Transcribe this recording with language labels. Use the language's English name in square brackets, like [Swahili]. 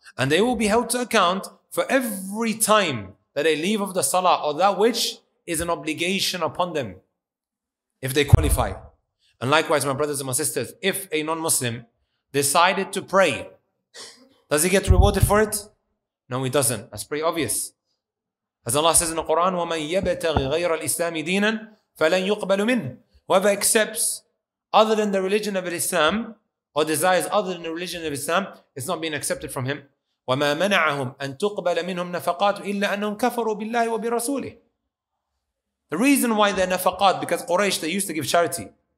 [English] And they will be held to account for every time that they leave of the salah, or that which is an obligation upon them, if they qualify. And likewise, my brothers and my sisters, if a non-Muslim decided to pray, does he get rewarded for it? No, he doesn't. That's pretty obvious. As Allah says in the Quran, [Arabic] وَمَن يَبْتَغِ غَيْرَ الْإِسْلَامِ دِينًا فَلَن يُقْبَلُ مِنْهُ. [English] Whoever accepts other than the religion of Islam, or desires other than the religion of Islam, it's not being accepted from him. [Arabic] وَمَا مَنَعَهُمْ أَن تُقْبَلَ مِنْهُمْ نَفَقَاتُ إِلَّا أَنَّهُمْ كَفَرُوا بِاللَّهِ وَبِرَسُولِهِ. [English] The reason why they're nafaqat, because Quraysh, they used to give charity.